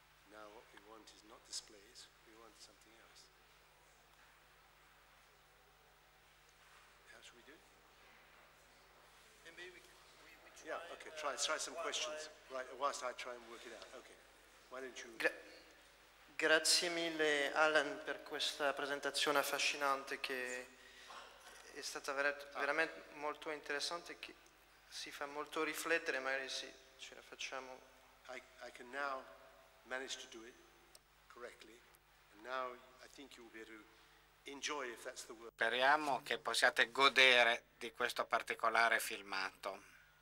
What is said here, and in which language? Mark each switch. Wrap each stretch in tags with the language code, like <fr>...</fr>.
<en>Now what we want is not displays, we want something else. How should we do? Maybe we try. Yeah, okay, try some questions. Right, whilst I try and work it out. Okay, why don't you...</en> <it>Grazie mille, Alan, per questa presentazione affascinante che... È stata veramente molto interessante, che si fa molto riflettere, magari sì, ce la facciamo.</it> <en>I can now manage to do it correctly, and now I think you will be able to enjoy, if that's the word.</en> <it>Speriamo che possiate godere di questo particolare filmato.</it>